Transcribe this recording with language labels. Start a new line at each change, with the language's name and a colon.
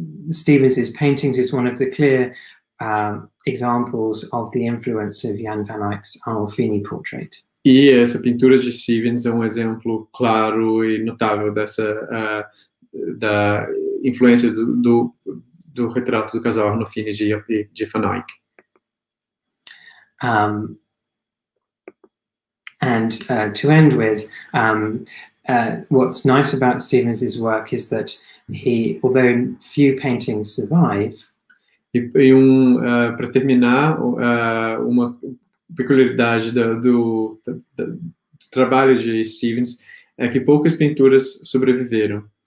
English: Stevens's paintings is one of the clear examples of the influence of Jan van Eyck's Arnolfini portrait.
Portuguese: E essa pintura de Stevens é um exemplo claro e notável dessa da influência do retrato do casal Arnolfini de van Eyck.
English: What's nice about Stevens's work is that he, although few paintings survive,
Portuguese: para terminar, uma peculiaridade do trabalho de Stevens é que poucas pinturas sobreviveram.